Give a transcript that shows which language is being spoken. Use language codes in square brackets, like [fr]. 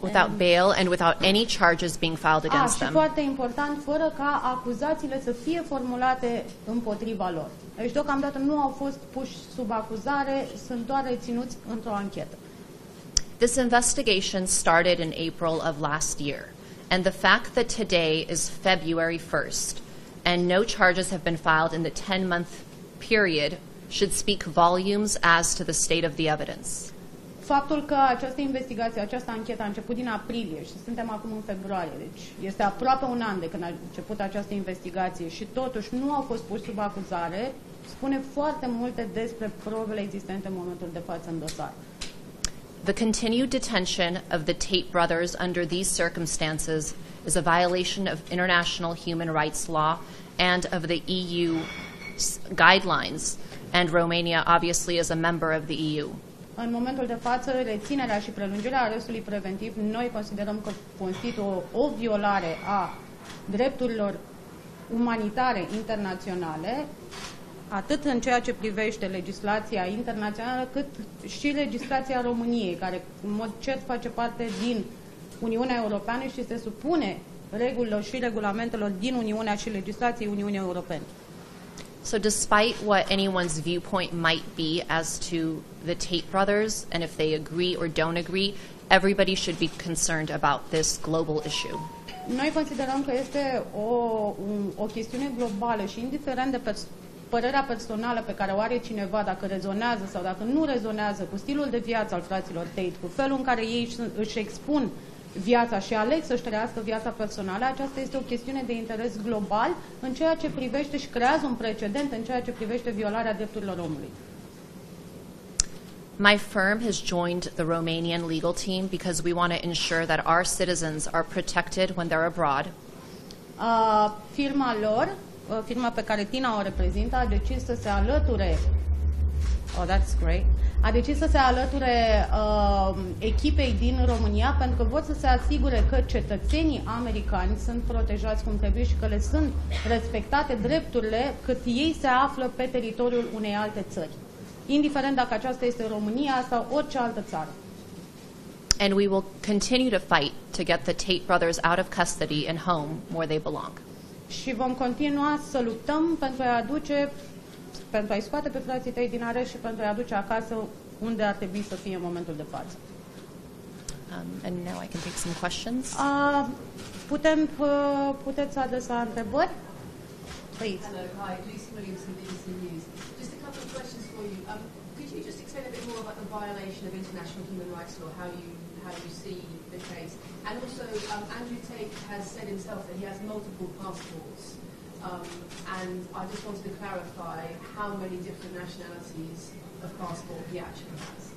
[en] Without bail and without any charges being filed against them. [ro] Și foarte important, fără ca acuzațiile să fie formulate împotriva lor. Deci, deocamdată nu au fost puși sub acuzare, sunt doar reținuți într-o anchetă. [en] This investigation started in April of last year, and the fact that today is February 1st and no charges have been filed in the 10-month period should speak volumes as to the state of the evidence. [ro] Faptul că această investigație, această anchetă a început din aprilie și suntem acum în februarie, deci este aproape un an de când a început această investigație și totuși nu au fost puși sub acuzare, spune foarte multe despre probele existente în momentul de față în dosar. [en] The continued detention of the Tate brothers under these circumstances is a violation of international human rights law and of the EU guidelines, and Romania obviously is a member of the EU. [ro] În momentul de față, reținerea și prelungirea arestului preventiv, noi considerăm că constituie o violare a drepturilor umanitare internaționale, atât în ceea ce privește legislația internațională, cât și legislația României, care în mod cert face parte din Uniunea Europeană și se supune regulilor și regulamentelor din Uniunea și legislației Uniunii Europene. [en] So despite what anyone's viewpoint might be as to the Tate brothers and if they agree or don't agree, everybody should be concerned about this global issue. [ro] Noi considerăm că este o chestiune globală și indiferent de părerea personală pe care o are cineva, dacă rezonează sau dacă nu rezonează cu stilul de viață al fraților Tate, cu felul în care ei își expun viața și aleg să-și trăiască viața personală, aceasta este o chestiune de interes global în ceea ce privește și creează un precedent în ceea ce privește violarea drepturilor omului. [en] My firm has joined the Romanian legal team because we want to ensure that our citizens are protected when they're abroad. [ro] Firma lor, firma pe care Tina o reprezintă, a decis să se alăture. [en] Oh, that's great. [ro] A decis să se alăture echipei din România pentru că vor să se asigure că cetățenii americani sunt protejați cum trebuie și că le sunt respectate drepturile cât ei se află pe teritoriul unei alte țări, indiferent dacă aceasta este România sau orice altă țară. [en] And we will continue to fight to get the Tate brothers out of custody and home where they belong. [ro] Și vom continua să luptăm pentru a-i aduce, pentru a-i scoate pe frații tăi din arest și pentru a-i aduce acasă unde ar trebui să fie în momentul de față. [en] And now I can take some questions. [ro] Puteți adresa întrebări? [en] Please. Hello, hi. Lisa Williams from BBC News. Just a couple of questions for you. Could you just explain a bit more about the violation of international human rights law, how you see the case? And also, Andrew Tate has said himself that he has multiple passports. And I just wanted to clarify how many different nationalities of passport he actually has.